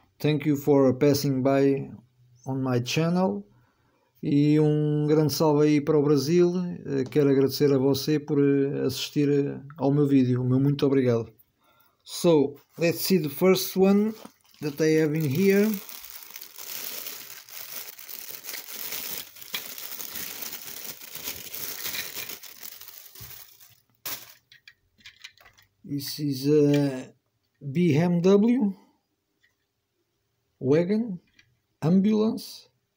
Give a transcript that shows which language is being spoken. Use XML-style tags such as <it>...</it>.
<en>Thank you for passing by on my channel.</en> <pt>E um grande salve aí para o Brasil. Quero agradecer a você por assistir ao meu vídeo. Meu muito obrigado.</pt> <en>So, let's see the first one that I have in here. This is a BMW. Wagon, ambulance.</en>